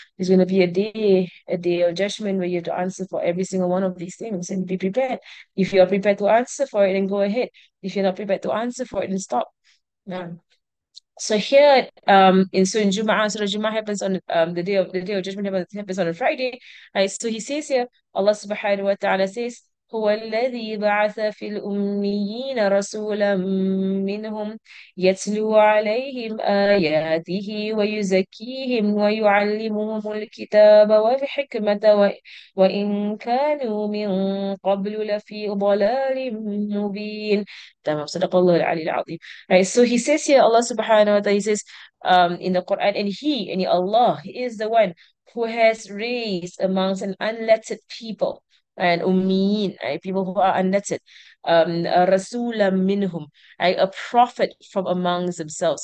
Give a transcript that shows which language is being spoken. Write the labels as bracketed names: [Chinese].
[English] There's going to be a day of judgment where you have to answer for every single one of these things, and be prepared. If you are prepared to answer for it, then go ahead. If you're not prepared to answer for it, then stop. Yeah. So here, in Jum'ah, Surah Jum'ah happens on the day of judgment happens on a Friday. Right? So he says here, Allah subhanahu wa ta'ala says, [Arabic] هو الذي بعث في الأميين رسولا منهم يتلو عليهم آياته ويزكيهم ويعلمهم الكتاب والحكمة وإن كانوا من قبل لفي ضلال مبين. تمام صدق الله العلي العظيم. [English] Right, so he says here, Allah subhanahu wa ta'ala, he says in the Quran, and he, and Allah, he is the one who has raised amongst an unlettered people, and ummiyin, right, people who are unlettered, rasulam minhum, right, a prophet from amongst themselves.